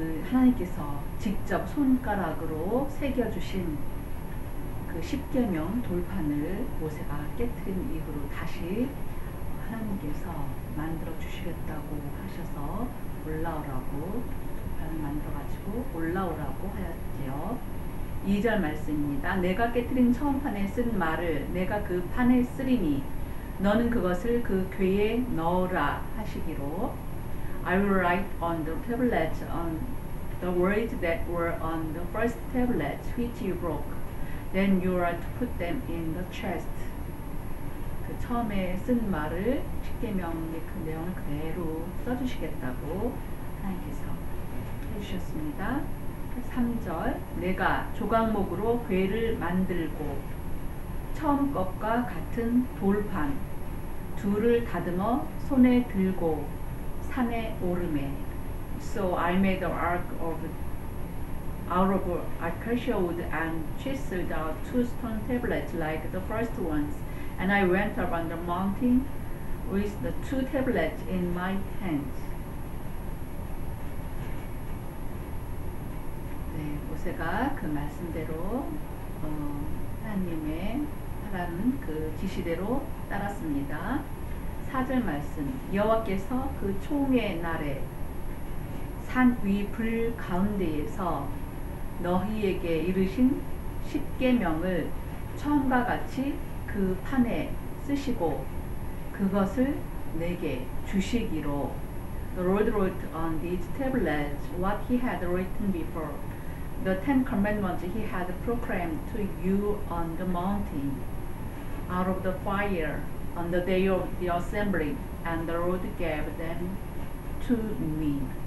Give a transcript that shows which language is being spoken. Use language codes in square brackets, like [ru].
[ko] 하나님께서 직접 손가락으로 새겨주신 그 십계명 돌판을 모세가 깨트린 이후로 다시 하나님께서 만들어 주시겠다고 하셔서 올라오라고, 돌판을 만들어가지고 올라오라고 하였지요. 2절 말씀입니다. 내가 깨트린 처음 판에 쓴 말을 내가 그 판에 쓰리니 너는 그것을 그 궤에 넣으라 하시기로. [en] I will write on the tablet on the words that were on the first tablet which you broke. Then you are to put them in the chest. [ko] 그 처음에 쓴 말을, 십계명의 그 내용을 그대로 써주시겠다고 하나님께서 해주셨습니다. 3절, 내가 조각목으로 괴를 만들고 처음 것과 같은 돌판 둘을 다듬어 손에 들고 산에 오르매. [en] So I made the ark out of acacia wood and chiseled out two stone tablets like the first ones. And I went up on the mountain with the two tablets in my hand. [ko] 네, 모세가 그 말씀대로 하나님의 하라는 그 지시대로 따랐습니다. 4절 말씀. 여호와께서 그 총의 날에 산 위 불 가운데에서 너희에게 이르신 십계명을 처음과 같이 그 판에 쓰시고 그것을 내게 주시기로. [en] The Lord wrote on these tablets what he had written before, the Ten Commandments he had proclaimed to you on the mountain, out of the fire, on the day of the assembly, and the Lord gave them to me.